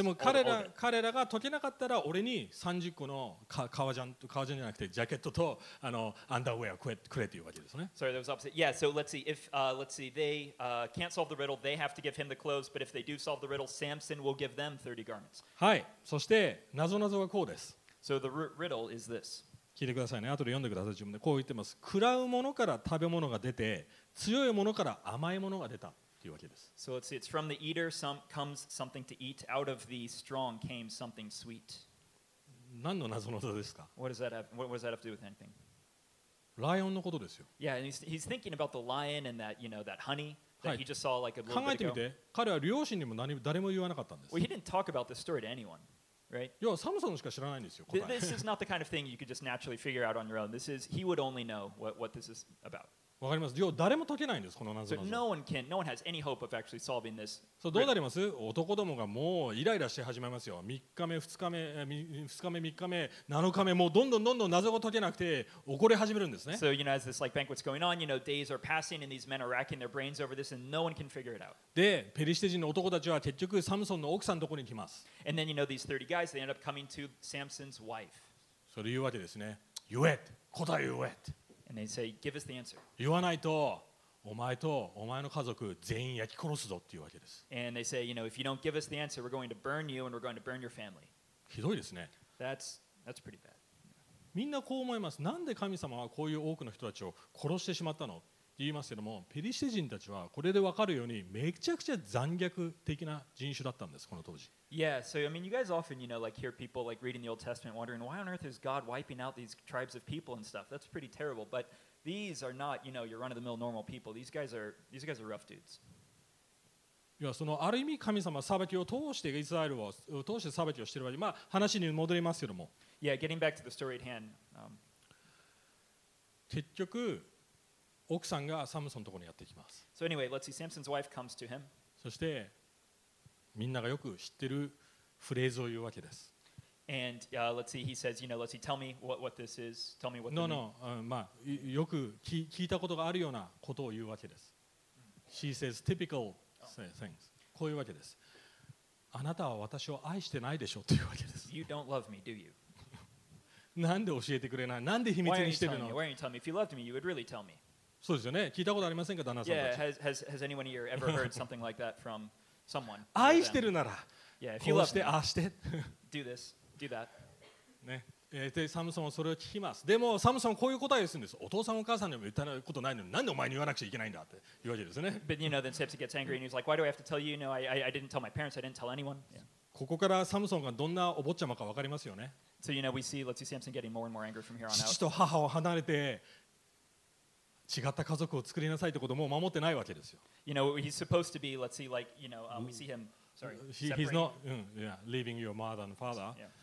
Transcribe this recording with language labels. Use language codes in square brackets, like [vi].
[ja] でも彼らが解けなかったら、俺に30個の革ジャンじゃなくてジャケットとアンダーウェアくれっていうわけですね。 [en] Sorry, that was opposite. Yeah, so let's see. If they can't solve the riddle, they have to give him the clothes. But if they do solve the riddle, Samson will give them 30 garments. [ja] はい、そして謎々はこうです。 [en] So the riddle is this. [ja] 聞いてくださいね。後で読んでください。自分でこう言ってます。食らうものから食べ物が出て、強いものから甘いものが出たというわけです。 [en] So let's see. It's from the eater comes something to eat. Out of the strong came something sweet. [ja] 何の謎のですか? [en] What does that have to do with anything? [ja] ライオンのことですよ。 [en] Yeah, and he's thinking about the lion and that, you know, that honey. That he just saw like a little bit ago. [ja] 考えてみて。彼は両親にも誰も言わなかったんです。 [en] Well, he didn't talk about this story to anyone. Right? [ja] 要はサムソンしか知らないんですよ、答え。 [en] This is not the kind of thing you could just naturally figure out on your own. This is, he would only know what this is about. [ja] わかります。要は誰も解けないんです、この謎々。 [en] So no one can, no one has any hope of actually solving this. [ja] So どうなります？男どもがもうイライラして始めますよ。3日目、2日目、3日目、7日目、もうどんどんどんどん謎が解けなくて怒り始めるんですね。 [en] So you know, as this like banquet's going on, you know, days are passing and these men are racking their brains over this and no one can figure it out. [ja] で、ペリシテ人の男たちは結局サムソンの奥さんのところに来ます。 [en] And then you know these 30 guys, they end up coming to Samson's wife. [ja] それ言うわけですね。言え、答え言え。 [en] And they say, "Give us the answer." [ja] 言わないと、お前とお前の家族全員焼き殺すぞっていうわけです。 [en] And they say, "You know, if you don't give us the answer, we're going to burn you and we're going to burn your family." [ja] ひどいですね。 [en] That's pretty bad. [ja] みんなこう思います。なんで神様はこういう多くの人たちを殺してしまったの？って言いますけども、ペリシテ人たちはこれでわかるようにめちゃくちゃ残虐的な人種だったんです、この当時。 [en] Yeah, so I mean, you guys often, you know, like hear people like reading the Old Testament wondering why on earth is God wiping out these tribes of people and stuff. That's pretty terrible. But these are not, you know, your run-of-the-mill normal people. These guys are rough dudes. [ja] いや、そのある意味神様は裁きを通してイスラエルを通して裁きをしているわけ。まあ話に戻りますけども。 [en] Yeah, getting back to the story at hand. [ja] 結局奥さんがサムソンのところにやってきます。 [en] So anyway, let's see. Samson's wife comes to him. [ja] そしてみんながよく知ってるフレーズを言うわけです。 [en] And let's see, he says, you know, let's see, tell me what this is. Tell me what this is. [ja] よく聞いたことがあるようなことを言うわけです。 [en] She says typical things. [ja] こういうわけです。あなたは私を愛してないでしょうというわけです。 [en] You don't love me, do you? なんで教えてくれない？なんで秘密にしてるの？ Why aren't you telling me? If you loved me, you would really tell me. [ja] そうですよね。聞いたことありませんか、旦那さんたち。 [en] Yeah, has anyone here ever heard something like that from... Someone, [ja] 愛してるなら、 [en] yeah, if you love [ja] こうして、 [en] me, [ja] ああして。 [en] do this, do that.、 [ja] ね、で、サムソンはそれを聞きます。でも、サムソンはこういう答えをするんです。お父さん、お母さんにも言ったことないのに、なんでお前に言わなくちゃいけないんだって言うわけですね。 [en] But you know, then Samson gets angry and he's like, why do I have to tell you? No, I didn't tell my parents, I didn't tell anyone.、Yeah. [ja] ここからサムソンがどんなお坊ちゃまか分かりますよね。 [en] So, you know, we see, let's see Samson getting more and more angry from here on out. [ja] 父と母を離れて、違った家族を作りなさいってことも守ってないわけですよ。 [en] You know, he's supposed to be, let's see, like, you know, we see him, sorry, separate. He's not, yeah, leaving your mother and father.